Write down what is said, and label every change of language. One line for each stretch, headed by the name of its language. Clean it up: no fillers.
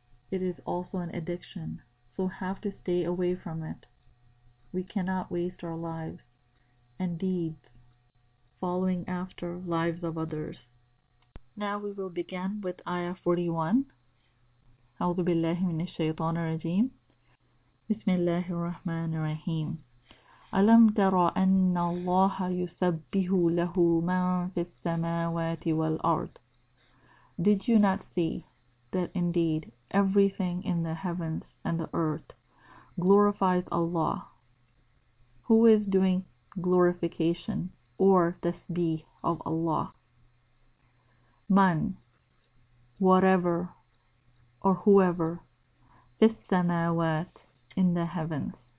English: It is also an addiction, so have to stay away from it. We cannot waste our lives and deeds following after lives of others. Now we will begin with Ayah 41.
Arabic: أعوذ بالله من الشيطان الرجيم. بسم الله الرحمن الرحيم. ألم تر أن الله يسبح له من في السماوات والأرض.
English: Did you not see that indeed everything in the heavens and the earth glorifies Allah? Who is doing glorification or tasbih of Allah? Man, whatever or whoever, fis samawat, in the heavens.